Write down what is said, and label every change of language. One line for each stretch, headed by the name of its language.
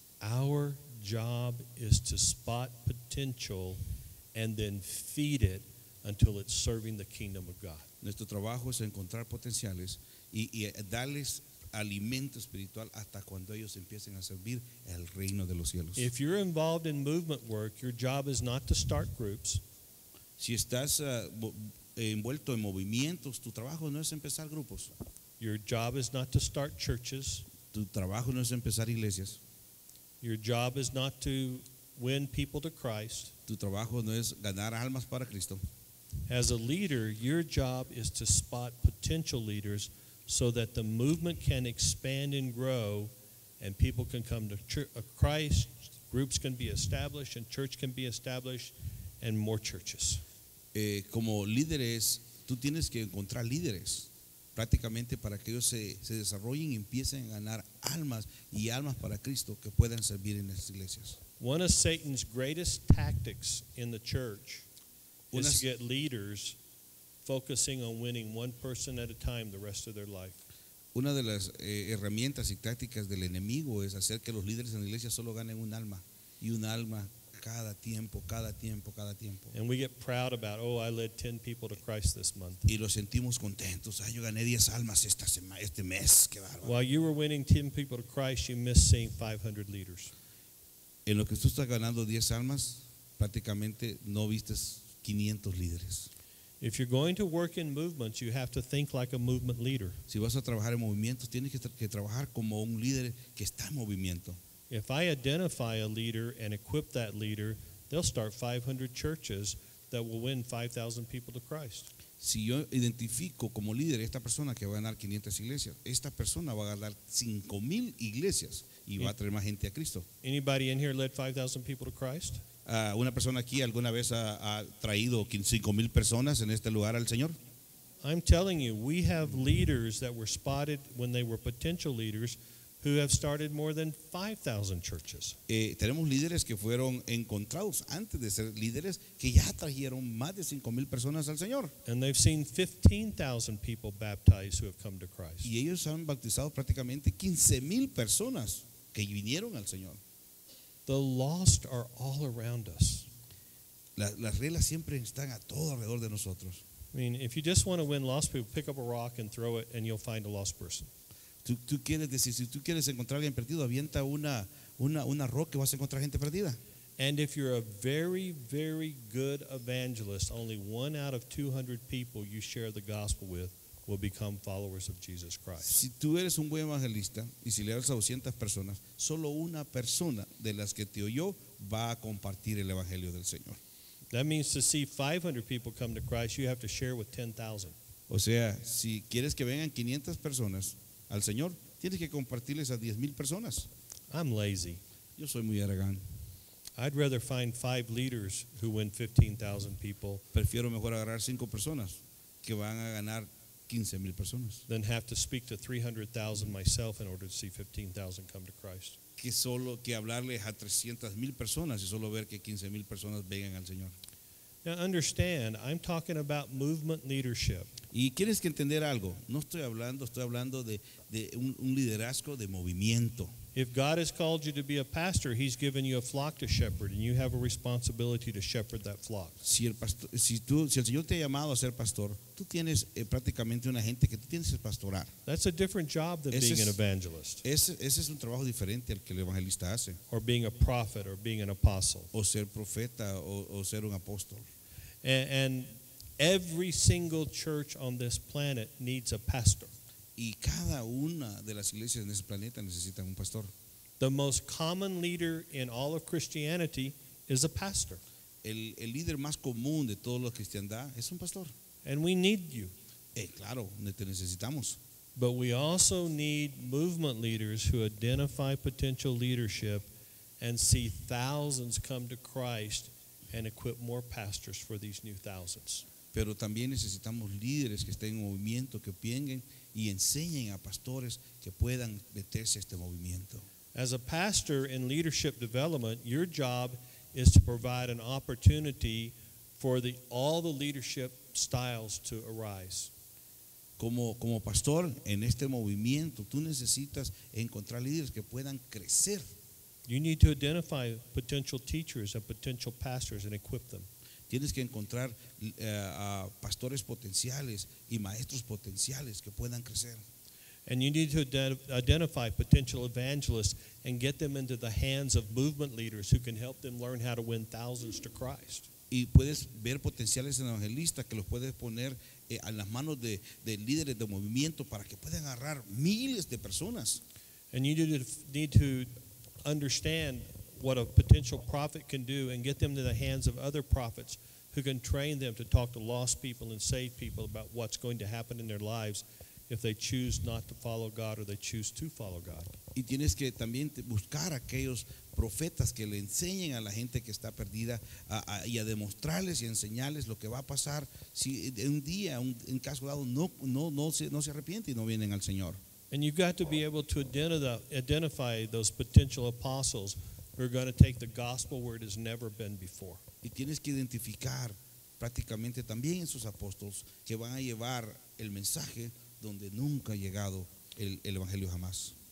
English: Our job is to spot potential and then feed it until it's serving the kingdom of God.
Spanish: Nuestro trabajo es encontrar potenciales y darles alimento espiritual hasta cuando ellos empiecen a servir el reino de los cielos.
English: If you're involved in movement work, your job is not to start groups.
Spanish: Si estás envuelto en movimientos, tu trabajo no es empezar grupos.
English: Your job is not to start churches.
Spanish: Tu trabajo no es empezar iglesias.
English: Your job is not to win people to Christ.
Spanish: Tu trabajo no es ganar almas para Cristo.
English: As a leader, your job is to spot potential leaders so that the movement can expand and grow and people can come to Christ, groups can be established and church can be established and more churches.
Spanish: Como líderes, tú tienes que encontrar líderes prácticamente para que ellos se desarrollen y empiecen a ganar almas y almas para Cristo que puedan servir en las iglesias.
English: One of Satan's greatest tactics in the church is to get leaders focusing on winning one person at a time the rest of their life.
Spanish: Una de las herramientas y tácticas del enemigo es hacer que los líderes en la iglesia solo ganen un alma y un alma cada tiempo, cada tiempo, cada tiempo.
English: And we get proud about, oh, I led 10 people to Christ this month.
Spanish: Y los sentimos contentos. Ay, yo gané 10 almas esta semana, este mes. Qué bárbaro.
English: While you were winning 10 people to Christ, you missed seeing 500 leaders.
Spanish: En lo que tú estás ganando 10 almas, prácticamente no viste 500 líderes.
English: If you're going to work in movements, you have to think like a movement leader.
Spanish: Si vas a trabajar en movimientos, tienes que trabajar como un líder que está en movimiento.
English: If I identify a leader and equip that leader, they'll start 500 churches that will win 5,000 people to Christ.
Spanish: Si yo identifico como líder esta persona que va a ganar 500 iglesias, esta persona va a ganar 5,000 iglesias y va a traer más gente a Cristo.
English: Anybody in here led 5,000 people to Christ?
Spanish: ¿Una persona aquí alguna vez ha traído 5,000 personas en este lugar al Señor?
English: I'm telling you, we have leaders that were spotted when they were potential leaders who have started more than 5,000 churches.
Spanish: Tenemos líderes que fueron encontrados antes de ser líderes que ya trajeron más de 5,000 personas al Señor.
English: And they've seen 15,000 people baptized who have come to Christ.
Spanish: Y ellos han bautizado prácticamente 15,000 personas que vinieron al Señor.
English: The lost are all around us.
Spanish: Las reglas siempre están a todo alrededor de nosotros.
English: I mean, if you just want to win lost people, pick up a rock and throw it and you'll find a lost person.
Spanish: Tú quieres decir, si tú quieres encontrar a alguien perdido, avienta una roca y vas a encontrar gente perdida.
English: And if you're a very, very good evangelist, only one out of 200 people you share the gospel with will become followers of Jesus Christ.
Spanish: Si tú eres un buen evangelista y si le hablas a 200 personas, solo una persona de las que te oyó va a compartir el evangelio del Señor.
English: That means to see 500 people come to Christ, you have to share with 10,000.
Spanish: O sea, si quieres que vengan 500 personas al Señor, tienes que compartirles a 10,000 personas.
English: I'm lazy.
Spanish: Yo soy muy aragán.
English: I'd rather find 5 leaders who win 15,000 people.
Spanish: Prefiero mejor agarrar 5 personas que van a ganar 15,000 personas.
English: Than have to speak to 300,000 myself in order to see 15,000 come to Christ.
Spanish: Que solo que hablarle a 300,000 personas y solo ver que 15,000 personas vengan al Señor.
English: Now understand, I'm talking about movement leadership.
Spanish: Y tienes que entender algo. No estoy hablando, de un liderazgo de movimiento.
English: If God has called you to be a pastor, he's given you a flock to shepherd, and you have a responsibility to shepherd that flock.
Spanish: Si el pastor, si el Señor te ha llamado a ser pastor, tú tienes prácticamente una gente que tú tienes que pastorar.
English: That's a different job than being an evangelist.
Spanish: Ese es un trabajo diferente al que el evangelista hace.
English: Or being a prophet or being an apostle.
Spanish: O ser profeta o ser un apóstol.
English: And every single church on this planet needs a pastor.
Spanish: Y cada una de las iglesias en este planeta necesita un pastor.
English: The most common leader in all of Christianity is a pastor.
Spanish: El líder más común de toda la cristiandad es un pastor.
English: And we need you.
Spanish: Claro, te necesitamos.
English: But we also need movement leaders who identify potential leadership and see thousands come to Christ and equip more pastors for these new thousands.
Spanish: Pero también necesitamos líderes que estén en movimiento, que vengan y enseñen a pastores que puedan meterse a este movimiento.
English: As a pastor in leadership development, your job is to provide an opportunity for all the leadership styles to arise.
Spanish: como pastor en este movimiento, tú necesitas encontrar líderes que puedan crecer.
English: You need to identify potential teachers and potential pastors and equip them.
Spanish: Tienes que encontrar pastores potenciales y maestros potenciales que puedan crecer.
English: And you need to identify potential evangelists and get them into the hands of movement leaders who can help them learn how to win thousands to Christ.
Spanish: Y puedes ver potenciales evangelistas que los puedes poner a las manos de líderes de movimiento para que puedan agarrar miles de personas.
English: And you need to understand what a potential prophet can do and get them to the hands of other prophets who can train them to talk to lost people and save people about what's going to happen in their lives if they choose not to follow God or they choose to follow God.
Spanish: Y tienes que también buscar aquellos profetas que le enseñen a la gente que está perdida y a demostrarles y enseñarles lo que va a pasar si un día, en caso dado, no se arrepiente y no vienen al Señor.
English: And you've got to be able to identify those potential apostles who are going to take the gospel where it has never been before.
Spanish: Y tienes que identificar prácticamente también esos apóstoles que van a llevar el mensaje donde nunca ha llegado el evangelio jamás.